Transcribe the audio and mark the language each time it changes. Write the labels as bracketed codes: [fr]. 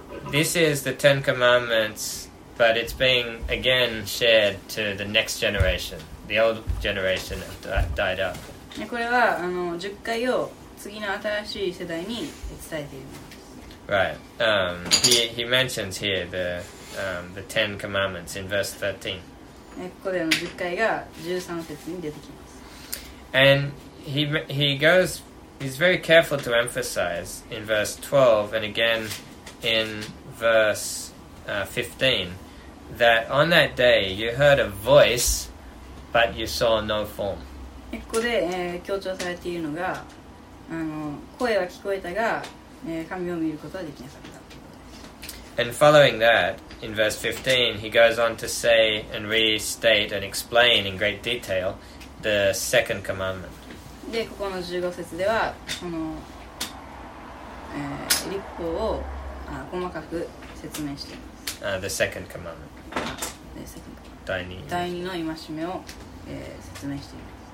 [en] This is the Ten Commandments, but it's being again shared to the next generation. The old generation died up. [ja] これは10回を次の新しい世代に伝えています。 [en] Right. He mentions here the Ten Commandments in verse 13. [ja] ここでの10回が13節に出てきます。 [en] And he goes... He's very careful to emphasize in verse 12 and again in verse 15 that on that day you heard a voice but you saw no form. [ja] ここで、強調されているのが、声は聞こえたが、神を見ることはできなかった。 [en] And following that, in verse 15, he goes on to say and restate and explain in great detail the second commandment. [ja] で、ここの15節では、この、律法を細かく説明しています。 [en] The second commandment. [ja] 第二の戒めを、説明しています。